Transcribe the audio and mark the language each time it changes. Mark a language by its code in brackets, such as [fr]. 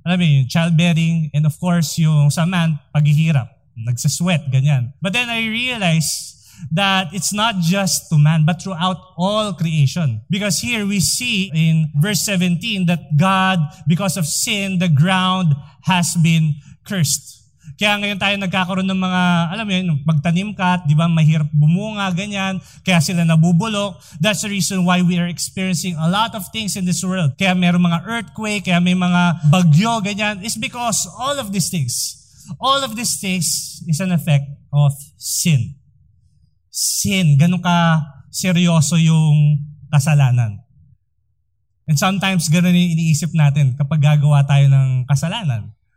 [tl] Alam mo yun, childbearing, [en] and of course, [tl] yung sa man, paghihirap, nagsasweat, ganyan. [en] But then I realized that it's not just to man, but throughout all creation. Because here we see in verse 17 that God, because of sin, the ground has been cursed. [tl] Kaya ngayon tayo nagkakaroon ng mga, alam mo yun, pagtanim ka, di ba, mahirap bumunga, ganyan, kaya sila nabubulok. [en] That's the reason why we are experiencing a lot of things in this world. [tl] Kaya meron mga earthquake, kaya may mga bagyo, ganyan. [en] It's because all of these things is an effect of sin. [tl] Sin, ganun ka seryoso yung kasalanan. [en] And sometimes [tl] ganun yung iniisip natin kapag gagawa tayo ng kasalanan.